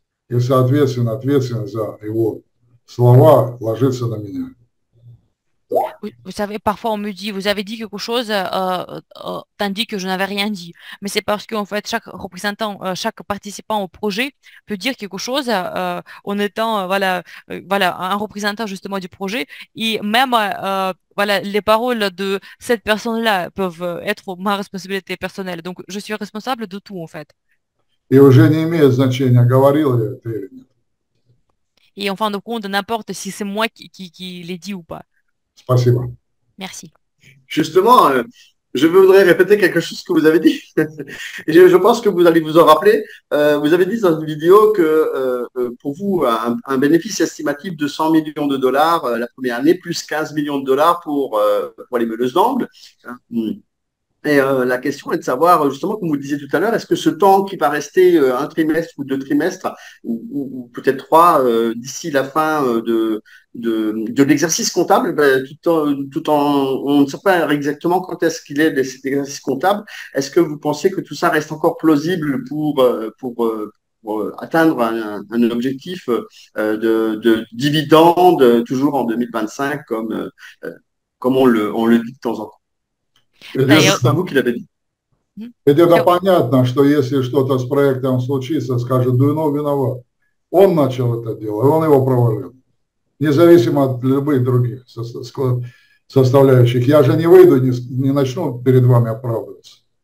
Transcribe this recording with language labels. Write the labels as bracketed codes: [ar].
[ru] И, соответственно, ответственность за его слова ложится на меня. [fr] Vous savez, parfois on me dit, vous avez dit quelque chose, tandis que je n'avais rien dit. Mais c'est parce qu'en fait, chaque représentant, chaque participant au projet peut dire quelque chose en étant voilà, un représentant justement du projet. Et même voilà, les paroles de cette personne-là peuvent être ma responsabilité personnelle. Donc, je suis responsable de tout, en fait. [ru] И уже не имеет значения, говорил я это или нет. [fr] Et en fin de compte, n'importe si c'est moi qui l'ai dit ou pas. [ru] Спасибо. [fr] Merci. Justement, je voudrais répéter quelque chose que vous avez dit. Je pense que vous allez vous en rappeler. Vous avez dit dans une vidéo que pour vous, un bénéfice estimatif de 100 millions de dollars la première année, plus 15 millions de dollars pour les meneuses d'angle. Et la question est de savoir, justement, comme vous le disiez tout à l'heure, est-ce que ce temps qui va rester un trimestre ou deux trimestres, ou peut-être trois, d'ici la fin de l'exercice comptable, ben, on ne sait pas exactement quand est-ce qu'il est cet exercice comptable, est-ce que vous pensez que tout ça reste encore plausible pour atteindre un objectif de dividende toujours en 2025, comme on le dit de temps en temps? Je pense que c'est vous qui l'avez dit. [ru] Это понятно, что если что-то с проектом случится, скажет, Дуйнов виноват. Он начал это дело, и он его провалил. Независимо от любых других составляющих. Я же не выйду, не начну перед вами оправдываться.